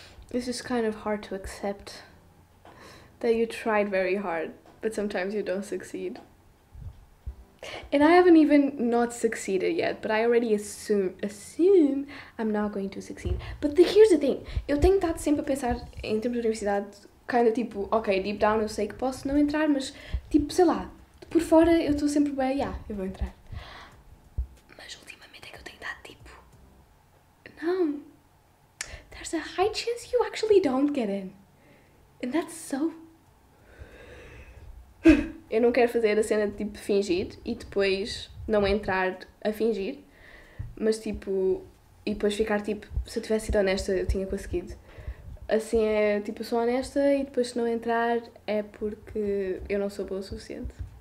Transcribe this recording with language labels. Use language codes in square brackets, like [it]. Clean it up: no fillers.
[en] It's just kind of hard to accept that you tried very hard, but sometimes you don't succeed. And I haven't even not succeeded yet, but I already assume I'm not going to succeed. But here's the thing. [pt] Eu tenho estado sempre a pensar em termos de universidade, [en] kind of [pt] tipo, ok, deep down eu sei que posso não entrar, mas tipo, sei lá. Por fora eu estou sempre bem, eu vou entrar. Mas ultimamente é que eu tenho dado tipo... Não. [en] There's a high chance you actually don't get in. And that's so... [pt] Eu não quero fazer a cena de tipo fingir e depois não entrar a fingir. Mas tipo... E depois ficar tipo, se eu tivesse sido honesta eu tinha conseguido. Assim é tipo, eu sou honesta e depois se não entrar é porque eu não sou boa o suficiente.